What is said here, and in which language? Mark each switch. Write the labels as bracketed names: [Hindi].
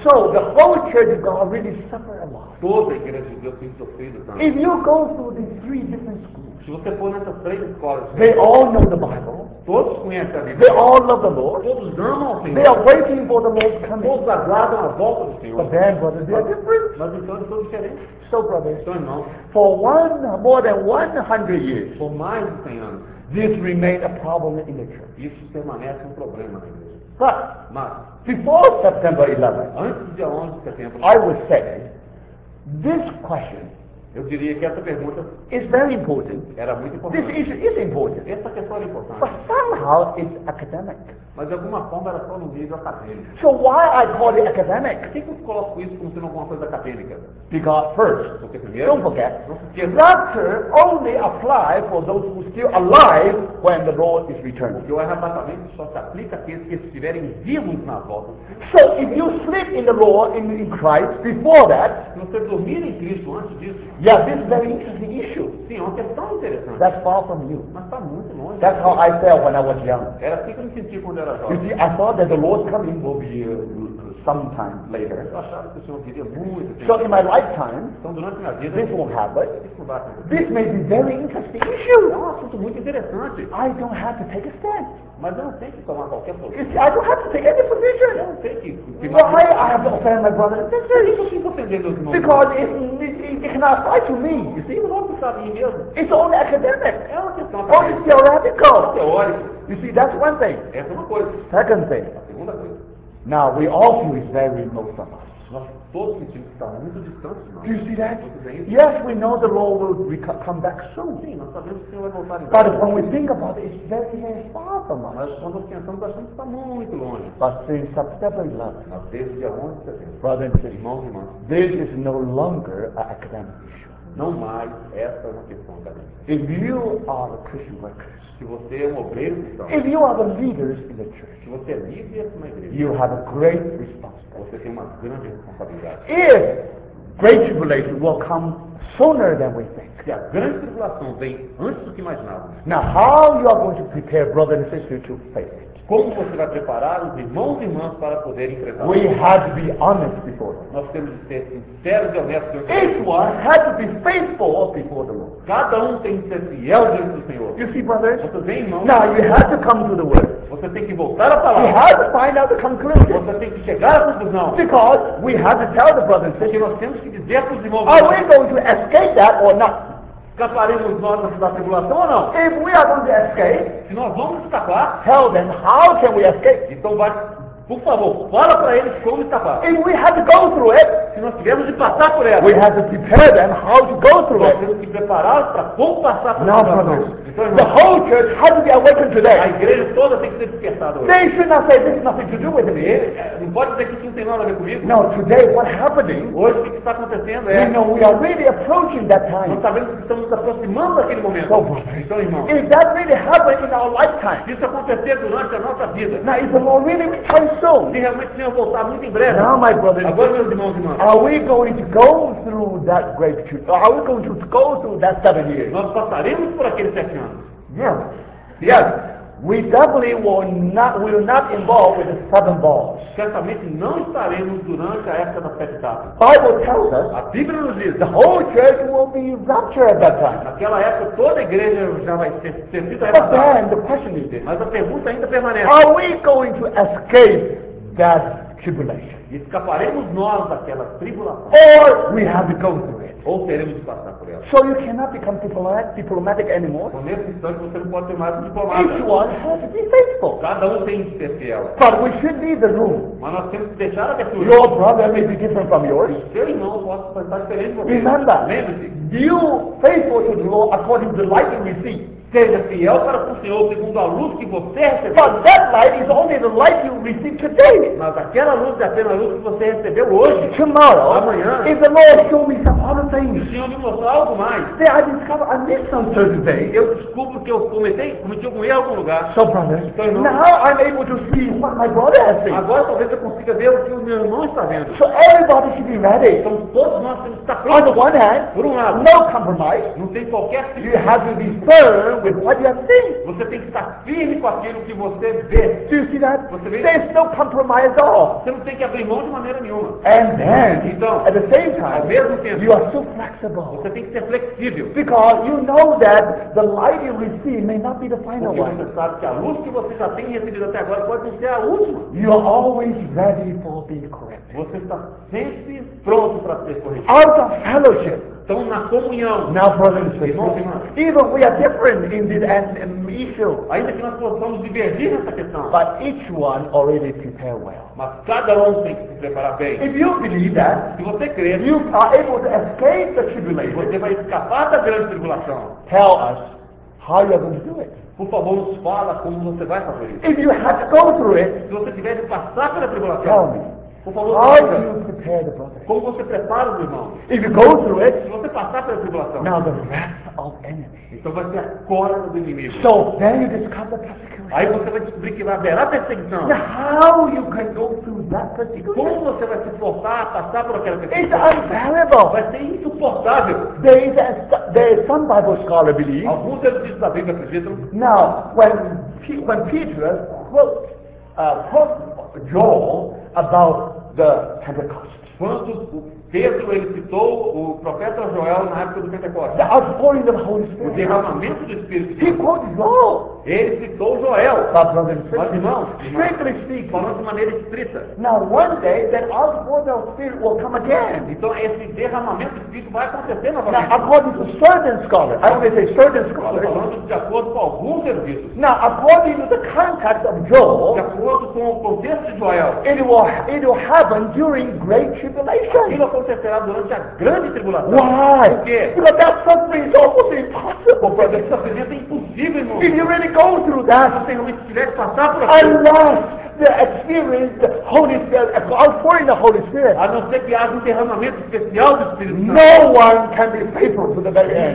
[English] So the whole church of God really suffered a lot. [Portuguese] Toda a igreja de Deus tem sofrido tanto. [English] If you go through these three different schools. [Portuguese] Se você for nessas três escolas, [English] they all know the Bible. [Portuguese] Todos conhecem a Bíblia. [English] They all love the Lord. [Portuguese] Todos amam o Senhor. [English] They are waiting for the Lord's coming. [Portuguese] Todos aguardam a volta do Senhor. [English] But then, brothers, they are different. [Portuguese] Mas então eles são diferentes. [English] So, brothers, [Portuguese] então, irmão, [English] for one more than 100 years, [Portuguese] por mais de 100 anos, [English] this remained a problem in the church. [Portuguese] Isso permanece um problema na igreja. [English] But, [Portuguese] mas, [English] before September 11th, [Portuguese] antes de 11 de setembro, [English] I would say this question. [Portuguese] Eu diria que essa pergunta [English] is very important. [Portuguese] Era muito importante. [English] This issue is important. [Portuguese] Essa questão é importante. [English] But somehow it's academic. [Portuguese] Mas de alguma forma ela foi um nível acadêmico. [English] So why I call it academic? [Portuguese] Por que eu coloco isso como sendo alguma coisa acadêmica? [English] Because first, [Portuguese] porque primeiro, [English] don't forget, the rapture only apply for those who are still alive when the Lord is returned. [Portuguese] Porque o arrebatamento só se aplica àqueles que estiverem vivos na volta. [English] So if you sleep in the Lord in Christ before that, [Portuguese] se você dormir em Cristo antes disso. [English] Yeah, this is a very interesting issue. [Portuguese] Sim, é uma questão interessante. [English] That's far from you. [Portuguese] Mas está muito longe. [English] That's how I felt when I was young. [Portuguese] Era assim que eu me senti quando era jovem. [English] You see, I thought that the Lord's coming will be sometime later. [Portuguese] Eu achava que o Senhor viria muito. [English] So in my lifetime, [Portuguese] então, durante minha vida, [English] this won't happen. [Portuguese] Isso não vai acontecer. [English] This may be a very interesting issue. [Portuguese] É um assunto muito interessante. [English] I don't have to take a stand. [Portuguese] Mas eu não tenho que tomar qualquer posição. [English] You see, I don't have to take any position. [Portuguese] Eu não tenho que tomar qualquer posição. [English] I have to offend my brother. That's very interesting for offending those moments. Because it cannot apply to me. You see, you don't have to [Portuguese] mesmo. [English] It's only academic. [Portuguese] É uma questão [English] only academic. Theoretical. [Portuguese] Teórico. [English] You see, that's one thing. [Portuguese] Essa é uma coisa. [English] Second thing. [Portuguese] A segunda coisa. [English] Now, we all feel it's very most of us. [Portuguese] Nós todos sentimos que está muito distante de nós. [English] Do you see that? Yes, we know the Lord will come back soon. [Portuguese] Sim, nós sabemos que o Senhor vai voltar em breve. [English] But when we think about it, it's very, very far from us. [Portuguese] Mas quando pensamos, achamos que está muito longe. [English] But since September 11th, [Portuguese] mas desde dia 11 de setembro, [English] brothers and sisters, [Portuguese] irmãos e irmãs, [English] this is no longer an academic issue. [Portuguese] Não mais, essa é uma questão acadêmica. [English] If you are a Christian worker, [Portuguese] se você é um obreiro cristão, [English] if you are the leaders in the church, [Portuguese] se você é líder de uma igreja, [English] you have a great responsibility. [Portuguese] Você tem uma grande responsabilidade. [English] If great tribulation will come sooner than we think. [Portuguese] Se a grande tribulação vem antes do que imaginávamos. [English] Now, how you are going to prepare brother and sister to face it? [Portuguese] Como você vai preparar os irmãos e irmãs para poder enfrentar? [English] We have to be honest before. [Portuguese] Nós temos de ser sinceros e honestos diante do Senhor. [English] Each one has to be faithful before the Lord. [Portuguese] Cada um tem que ser fiel diante do Senhor. [English] You see, brothers? [Portuguese] Você vê, irmãos? [English] Now you have to come to the Word. [Portuguese] Você tem que voltar à palavra. [English] You have to find out the conclusion. [Portuguese] Você tem que chegar à conclusão. [English] Because we have to tell the brothers. [Portuguese] Porque nós temos que dizer para os irmãos. [English] Are we going to escape that or not? [Portuguese] Escaparemos nós da tribulação ou não? [English] If we are going to escape, [Portuguese] se nós vamos escapar, [English] tell them how can we escape? [Portuguese] Então vai, por favor, fala para eles como escapar. [English] If we have to go through it, [Portuguese] se nós tivermos de passar por ela, [English] we have to prepare them how to go through [Portuguese] it. Nós temos que preparar para como passar por ela. Não, não, não. Então, [English] the whole church has to be awakened today. [Portuguese] A igreja toda tem que ser despertada hoje. [English] They should not say this has nothing to do with me. [Portuguese] Não pode dizer que isso não tem nada a ver comigo. [English] No, today what's happening? [Portuguese] Hoje o que está acontecendo é. [English] We know we are really approaching that time. [Portuguese] Nós sabemos que estamos aproximando daquele momento. [English] So, [Portuguese] então, irmão, [English] if that really happens in our lifetime, [Portuguese] isso acontecer durante a nossa vida. [English] Now, if the Lord really comes soon, [Portuguese] se realmente Senhor voltar muito em breve. [English] Now, my brothers, [Portuguese] agora meus irmãos e irmãs, [English] are we going to go through that great tribulation? Are we going to go through that 7 years? [Portuguese] Nós passaremos por aqueles 7 anos. [English] Yes. Yes. We definitely will not involve with the seven balls. [Portuguese] Certamente não estaremos durante a época das sete etapas. [English] Bible tells us. [Portuguese] A Bíblia nos diz. [English] The whole church will be raptured at that time. [Portuguese] Naquela época toda a igreja já vai ser servida. [English] But then the question is this. [Portuguese] Mas a pergunta ainda permanece. [English] Are we going to escape that tribulation? [Portuguese] Escaparemos nós daquela tribulação? [English] Or we have to go through it? [Portuguese] Ou teremos de passar por ela? [English] So you cannot become diplomatic anymore. [Portuguese] Então, nesse instante você não pode ser mais um diplomata. [English] Each one has to be faithful. [Portuguese] Cada um tem que ser fiel. [English] But we should leave the room. [Portuguese] Mas nós temos que deixar a abertura. [English] Your brother may be different from yours. [Portuguese] Seu irmão pode estar diferente de você. [English] Remember. [Portuguese] Lembre-se. [English] You faithful to the Lord according to the light we see. [Portuguese] Seja fiel para com o Senhor segundo a luz que você recebeu. [English] But that light is only the light you receive today. [Portuguese] Mas aquela luz é apenas a luz que você recebeu hoje. [English] Tomorrow, [Portuguese] amanhã, [English] if the Lord show me some other things, [Portuguese] o Senhor me mostrar algo mais, [English] then I discover I missed some certain things. [Portuguese] Eu descubro que eu cometi algum erro em algum lugar. [English] So, brother, [Portuguese] então, [English] now I'm able to see what my brother has seen. [Portuguese] Agora talvez eu consiga ver o que o meu irmão está vendo. [English] So everybody should be ready. [Portuguese] Então todos nós temos que estar prontos. [English] On the one hand, [Portuguese] por um lado, [English] no compromise. [Portuguese] Não tem qualquer tipo. [English] You have to be firm. With what you have seen. [Portuguese] Você tem que estar firme com aquilo que você vê. [English] Do you see that? [Portuguese] Você vê? [English] There's no compromise at all. [Portuguese] Você não tem que abrir mão de maneira nenhuma. [English] And then, [Portuguese] então, [English] at the same time, [Portuguese] ao mesmo tempo, [English] you are so flexible. [Portuguese] Você tem que ser flexível. [English] Because you know that the light you receive may not be the final one. [Portuguese] Porque você sabe que a luz que você já tem recebido até agora pode ser a última. [English] You are always ready for being corrected. [Portuguese] Você está sempre pronto para ser corrigido. [English] Out of fellowship. [Portuguese] Então, na comunhão. [English] Now, brothers and sisters, even we are different in this issue. [Portuguese] Ainda que nós possamos divergir nessa questão. [English] But each one already prepared well. [Portuguese] Mas cada um tem que se preparar bem. [English] If you believe that, [Portuguese] se você crer, [English] you are able to escape the tribulation. [Portuguese] Você vai escapar da grande tribulação. [English] Tell us how you are going to do it. [Portuguese] Por favor, nos fala como você vai fazer isso. [English] If you have to go through it, [Portuguese] se você tiver de passar pela tribulação, [English] tell me. [Portuguese] Por favor, [English] how do you prepare the brother? [Portuguese] Como você prepara o irmão? [English] If you go through it, [Portuguese] se você passar pela tribulação, [English] now the wrath of enemy. [Portuguese] Então vai ser a cólera do inimigo. [English] So then you discover persecution. [Portuguese] Aí você vai descobrir que vai haver a perseguição. [English] Now how you can go through that persecution? [Portuguese] Como você vai se suportar, passar por aquela perseguição? [English] It's unbearable. [Portuguese] Vai ser insuportável. [English] There is some Bible scholar believe. [Portuguese] Alguns eruditos da Bíblia acreditam. [English] Now when Peter quotes Joel about the Pentecost. [Portuguese] Quando Pedro ele citou o profeta Joel na época do Pentecostes. [English] The outpouring of the Holy Spirit. [Portuguese] O derramamento do Espírito. [English] He quoted Joel. [Portuguese] Ele citou Joel. Mas irmão, [English] strictly speaking, [Portuguese] falando de maneira estrita. [English] Now one day that outpouring of the Spirit will come again. [Portuguese] Então esse derramamento do Espírito vai acontecer novamente. [English] Now according to certain scholars, I would say certain scholars. [Portuguese] Falando de acordo com alguns eruditos. [English] Now according to the context of Joel. [Portuguese] De acordo com o contexto de Joel. [English] It will happen during great tribulation. [Portuguese] Ele acontecerá durante a grande tribulação. [English] Why? [Portuguese] Por quê? [English] Because that suffering is almost impossible. [Portuguese] Porque esse sofrimento é impossível, irmão. [English] If you really go through that, [Portuguese] se não estiver passar por [English] aquilo. Unless the experience the Holy Spirit, outpouring the Holy Spirit. [Portuguese] A não ser que haja derramamento especial do Espírito Santo. [English] No one can be faithful to the very end.